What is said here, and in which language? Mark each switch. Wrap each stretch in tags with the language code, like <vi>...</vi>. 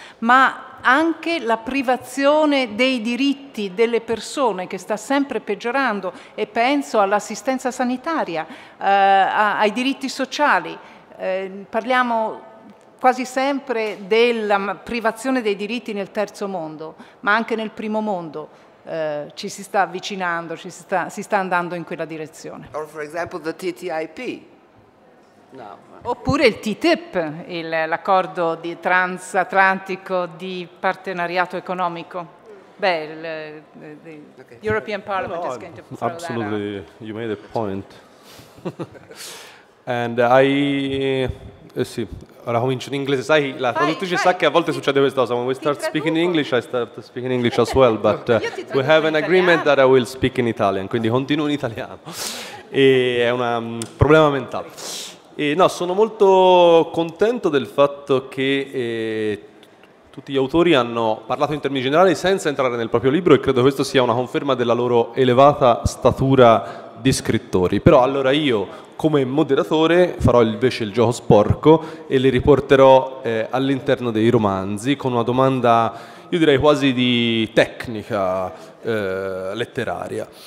<it>ma anche la privazione dei diritti delle persone che sta sempre peggiorando, e penso all'assistenza sanitaria, ai diritti sociali, parliamo quasi sempre della privazione dei diritti nel terzo mondo, ma anche nel primo mondo. Ci si sta avvicinando, si sta andando in quella direzione.</it> <en>Or for example the TTIP. No.</en> <it>Oppure il TTIP, l'accordo di transatlantico di partenariato economico. Beh,</it> <en>the European Parliament is going to throw that. Absolutely, you made a point. And I,</en> <it>sì, ora comincio in inglese. Sai, la traduttrice sa che a volte succede questa cosa.</it> <en>When we start speaking in English, I start speaking in English as well. But we have an agreement that I will speak in Italian.</en> <it>Quindi continuo in italiano. E è un problema mentale. E no, sono molto contento del fatto che tutti gli autori hanno parlato in termini generali senza entrare nel proprio libro, e credo questo sia una conferma della loro elevata statura di scrittori. Però allora io, come moderatore, farò invece il gioco sporco e li riporterò all'interno dei romanzi con una domanda, io direi quasi di tecnica letteraria.</it>